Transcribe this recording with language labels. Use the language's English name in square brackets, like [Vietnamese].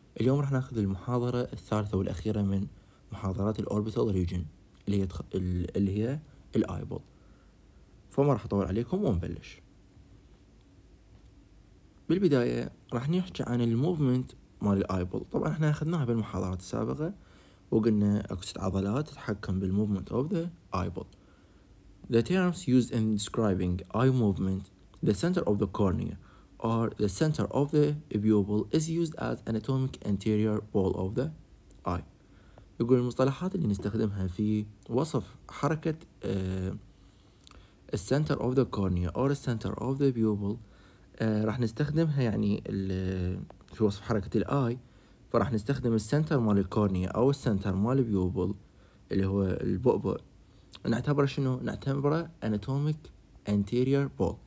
[Arabic] اليوم راح ناخذ المحاضره الثالثه والاخيره من محاضرات الاوربيتال ريجن اللي هي الايبود، فما راح اطول عليكم ونبلش. بالبدايه راح نحكي عن الموفمنت مال الايبود. طبعا احنا اخذناها بالمحاضرات السابقه وقلنا أكو ست عضلات تتحكم بالموفمنت of the eyeball. [English] The terms used in describing eye movement, the center of the cornea or the center of the pupil is used as anatomic anterior wall of the eye. [Arabic] يقول المصطلحات اللي نستخدمها في وصف حركة the center of the cornea or the center of the pupil راح نستخدمها يعني في وصف حركة الآي. فراح نستخدم السنتر مال الكورنيا او السنتر مال البيوبل اللي هو البؤبؤ، نعتبره شنو؟ نعتبره اناتوميك انتيرير بول.